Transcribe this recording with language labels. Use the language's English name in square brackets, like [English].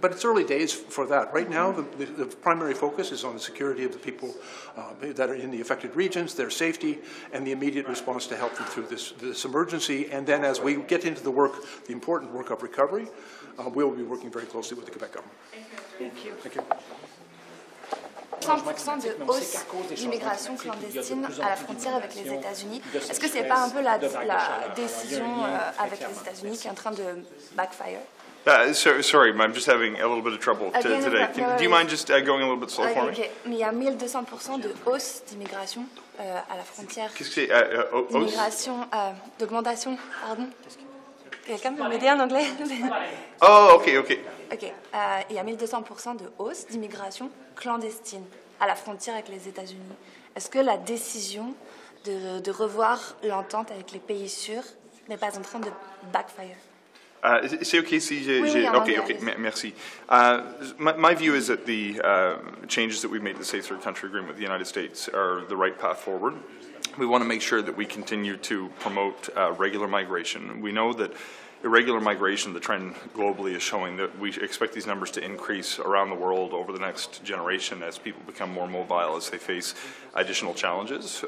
[English] But it's early days for that. Right now, the primary focus is on the security of the people that are in the affected regions, their safety, and the immediate response to help them through this emergency. And then as we get into the work, the important work of recovery, we'll be working very closely with the Quebec government. Thank you. [French] 30% de hausse d'immigration clandestine à la frontière avec les États-Unis. Est-ce que ce n'est pas un peu la décision avec les États-Unis qui est en train de backfire? [English] Sorry, I'm just having a little bit of trouble today. Do you mind just going a little bit slow for me? [French] Mais il y a 1200% de hausse d'immigration à la frontière. Qu'est-ce que c'est? Immigration, d'augmentation, pardon. Quelqu'un peut m'aider en anglais? [English] Oh, okay. Okay. [French] Il y a 1200% de hausse d'immigration clandestine à la frontière avec les États-Unis. Est-ce que la décision de revoir l'entente avec les pays sûrs n'est pas en train de backfire? C'est okay si j'ai... Oui, merci. [English] My view is that the changes that we've made to the Safe Third Country Agreement with the United States are the right path forward. We want to make sure that we continue to promote regular migration. We know that irregular migration, the trend globally is showing that we expect these numbers to increase around the world over the next generation as people become more mobile, as they face additional challenges.